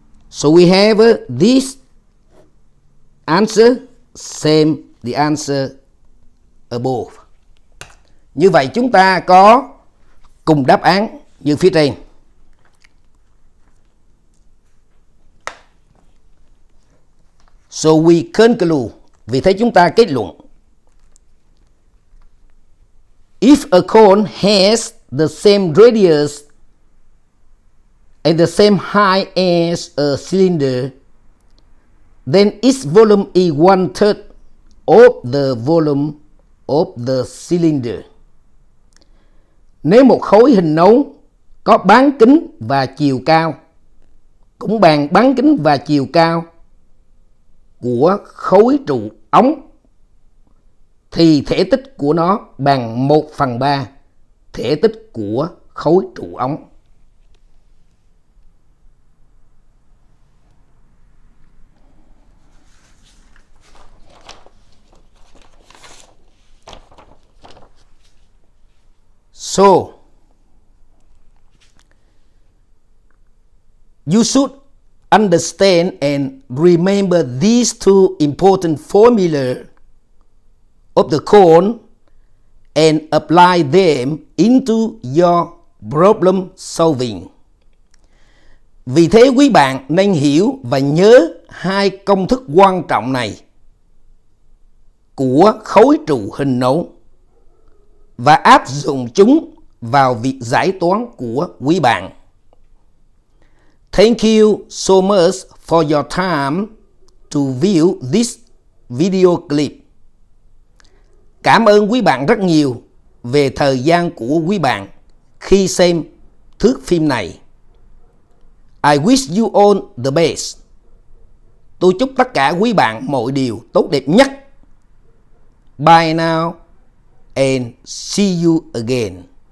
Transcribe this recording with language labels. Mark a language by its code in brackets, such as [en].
[en] So we have this answer, same the answer above. [vi] Như vậy chúng ta có cùng đáp án như phía trên. [en] So we conclude. [vi] Vì thế chúng ta kết luận. [en] If a cone has the same radius and the same height as a cylinder, then its volume is 1/3 of the volume of the cylinder. [vi] Nếu một khối hình nấu có bán kính và chiều cao cũng bằng bán kính và chiều cao của khối trụ ống, thì thể tích của nó bằng 1/3 thể tích của khối trụ ống. [en] So you should understand and remember these two important formula of the cone and apply them into your problem solving. [vi] Vì thế quý bạn nên hiểu và nhớ hai công thức quan trọng này của khối trụ hình nấu và áp dụng chúng vào việc giải toán của quý bạn. [en] Thank you so much for your time to view this video clip. [vi] Cảm ơn quý bạn rất nhiều về thời gian của quý bạn khi xem thước phim này. [en] I wish you all the best. [vi] Tôi chúc tất cả quý bạn mọi điều tốt đẹp nhất. [en] Bye now and see you again.